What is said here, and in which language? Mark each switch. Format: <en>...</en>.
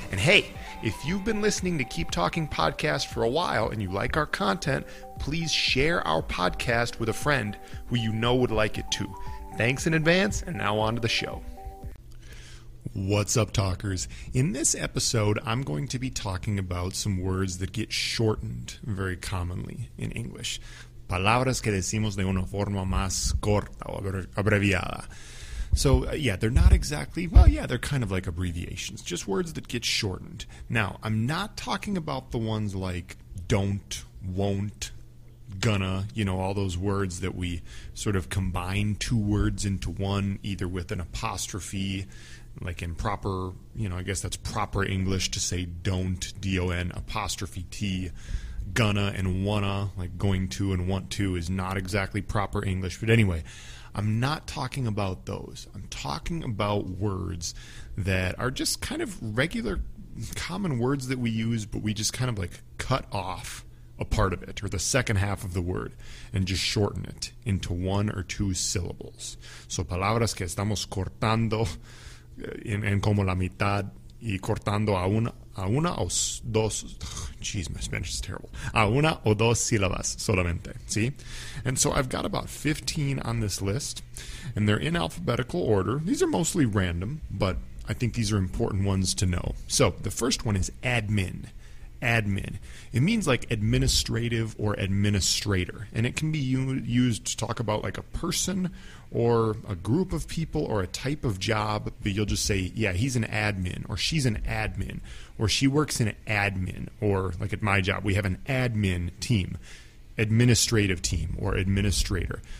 <en>And hey, if you've been listening to Keep Talking Podcast for a while and you like our content, please share our podcast with a friend who you know would like it too. Thanks in advance, and now on to the show. What's up, talkers? In this episode, I'm going to be talking about some words that get shortened very commonly in English.</en> <es>Palabras que decimos de una forma más corta o abreviada.</es> <en>So, yeah, they're not exactly, well, yeah, they're kind of like abbreviations, just words that get shortened. Now, I'm not talking about the ones like don't, won't, gonna, you know, all those words that we sort of combine two words into one, either with an apostrophe, like in proper, you know, I guess that's proper English to say don't, D-O-N, apostrophe T, gonna and wanna, like going to and want to is not exactly proper English, but anyway, I'm not talking about those. I'm talking about words that are just kind of regular common words that we use, but we just kind of like cut off a part of it or the second half of the word and just shorten it into one or two syllables.</en> <es>So palabras que estamos cortando en como la mitad y cortando a una o dos.</es> <en>Jeez, my Spanish is terrible.</en> <es>A una o dos sílabas solamente, ¿sí?</es> <en>And so I've got about 15 on this list, and they're in alphabetical order. These are mostly random, but I think these are important ones to know. So the first one is admin. Admin. It means like administrative or administrator, and it can be used to talk about like a person or a group of people or a type of job, but you'll just say, yeah, he's an admin, or she's an admin, or she works in admin, or like at my job, we have an admin team, administrative team, or administrator.</en>